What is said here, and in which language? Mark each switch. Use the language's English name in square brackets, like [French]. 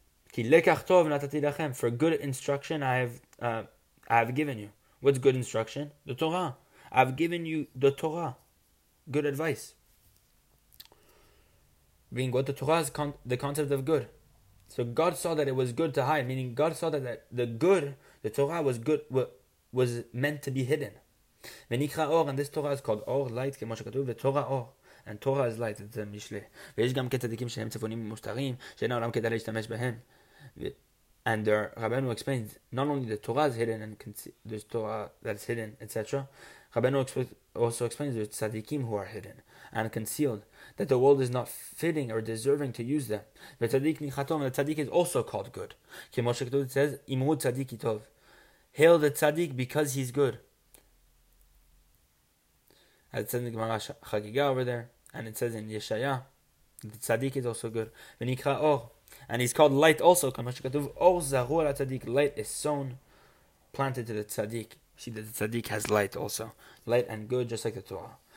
[English] Ki lekach tov natati lachem, for good instruction I have given you. What's good instruction? The Torah. I've given you the Torah. Good advice. Being what? The Torah is the concept of good. So God saw that it was good to hide, meaning God saw that the good, the Torah was good, was meant to be hidden. [Hebrew] ונקרא אור, [English] and this Torah is called אור, light, [Hebrew] כמו שכתוב, ותורה אור, [English] and Torah is light, [Hebrew] זה משלה. ויש גם כצדיקים שהם צפונים ומוסתרים, שאין העולם כדאי להשתמש בהם. [English] And the Rabeinu explains, not only the Torah is hidden, and there's Torah that's hidden, etc. Rabeinu also explains, there's צדיקים who are hidden, and concealed, that the world is not fitting or deserving to use them. [Hebrew] וצדיק נחתום, [English] the צדיק is also called good. [Hebrew] כמו שכתוב, [English] it says, [Hebrew] אמרו צדיק טוב. [English] Hail the צדיק because he's good. As it says in the Gemara Chagiga over there, and it says in Yeshaya, the Tzaddik is also good. [Hebrew] V'nikra Or, [English] and he's called light also. [Hebrew] Kama shekatuv Or zaru al Tzaddik, [English] light is sown, planted to the Tzaddik. See that the Tzaddik has light also, light and good, just like the Torah.